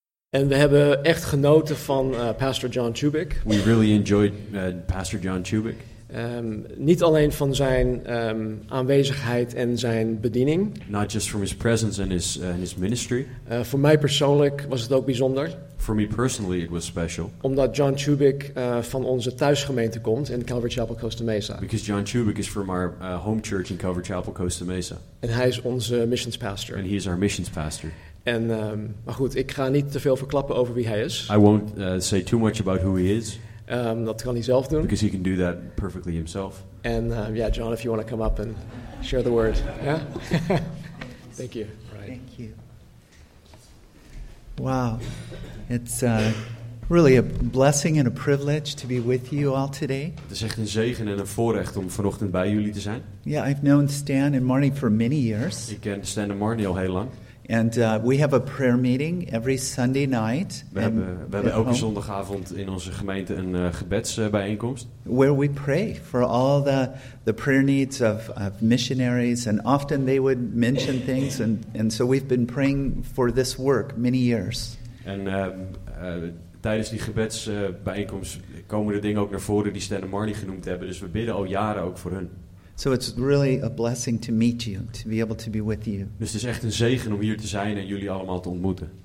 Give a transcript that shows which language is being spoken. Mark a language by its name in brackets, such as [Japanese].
[Dutch] En we hebben echt genoten van Pastor John Chubik. [English] We really enjoyed Pastor John Chubik. [Dutch] Niet alleen van zijn aanwezigheid en zijn bediening. [English] Not just from his presence and his ministry. [Dutch] Voor mij persoonlijk was het ook bijzonder. [English] For me personally, it was special. [Dutch] Omdat John Chubik van onze thuisgemeente komt in Calvary Chapel Costa Mesa. [English] Because John Chubik is from our home church in Calvary Chapel Costa Mesa. [Dutch] En hij is onze missions pastor. [English] And he is our missions pastor. [Dutch] En, maar goed, ik ga niet te veel verklappen over wie hij is. [English] I won't say too much about who he is. [Dutch] Dat kan hij zelf doen. [English] Because he can do that perfectly himself. And yeah, John, if you want to come up and share the word. Yeah? Thank you. Right. Thank you. Wow. It's really a blessing and a privilege to be with you all today. [Dutch] Het is echt een zegen en een voorrecht om vanochtend bij jullie te zijn. [English] Yeah, I've known Stan and Marnie for many years. [Dutch] Ik ken Stan en Marnie al heel lang. [English] And we have a prayer meeting every Sunday night. [Dutch] We hebben elke zondagavond in onze gemeente een gebedsbijeenkomst. [English] Where we pray for all the prayer needs of missionaries, and often they would mention things, and so we've been praying for this work many years. [Dutch] En tijdens die gebedsbijeenkomst komen de dingen ook naar voren die Stan en Marnie genoemd hebben. Dus we bidden al jaren ook voor hun. [English] So it's really a blessing to meet you, to be able to be with you. [Dutch] Dus het is echt een zegen om hier te zijn en jullie allemaal te ontmoeten.